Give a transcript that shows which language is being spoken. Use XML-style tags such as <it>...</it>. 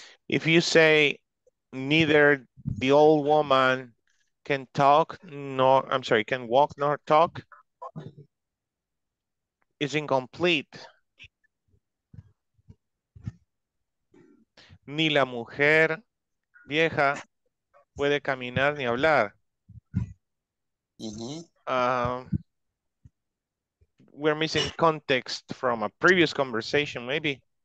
<en>If you say neither the old woman can talk nor, I'm sorry, can walk nor talk, it's incomplete.</en> <es>Ni la mujer vieja puede caminar ni hablar. Mm-hmm.</es> <en>We're missing context from a previous conversation, maybe.</en>